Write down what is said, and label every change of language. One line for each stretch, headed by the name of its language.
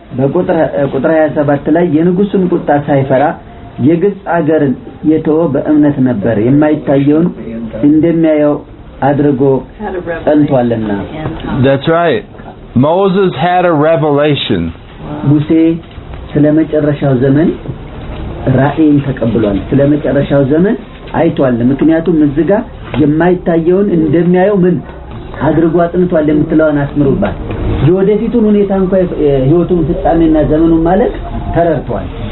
Amharic: በቁጥር 27 ላይ የንጉሱን ቁጣ ሳይፈራ የግብጽ አገር የተወ በእምነት ነበር የማይታየውን እንደሚያየው አድርጎ ጸንቷልና
English: That's right Moses had a revelation.
Amharic: ሙሴ ስለመጨረሻው ዘመን ራእይ ተቀብሏል ስለመጨረሻው ዘመን አይቷል ምክንያቱም ምዝጋ የማይታየውን እንደሚያየው ምን አድርጎ አጥንቷል የምትለውን አስምሩባት የወደፊቱን ሁኔታ እንኳን ህይወቱን ፍጻሜና ዘመኑን ማለት ተረድቷል